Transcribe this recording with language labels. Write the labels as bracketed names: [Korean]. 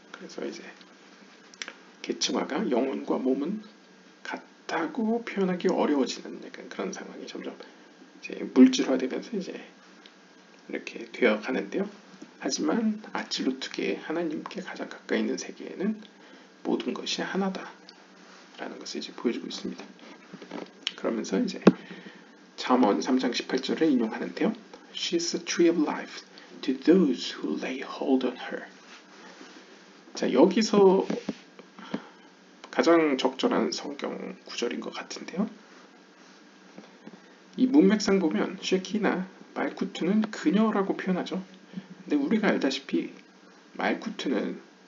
[Korean] 그래서 이제 계층화가 영혼과 몸은 같다고 표현하기 어려워지는 그런 상황이 점점 이제 물질화되면서 이제 이렇게 되어 가는데요. 하지만 아찔루트계 하나님께 가장 가까이 있는 세계에는 모든 것이 하나다라는 것을 이제 보여주고 있습니다. 그러면서 이제 잠언 3장 18절을 인용하는데요. [English] She is a tree of life to those who lay hold on her. [Korean] 자, 여기서 가장 적절한 성경 구절인 것 같은데요. 이 문맥상 보면 쉐키나 말쿠트는 그녀라고 표현하죠. 근데 우리가 알다시피 말쿠트는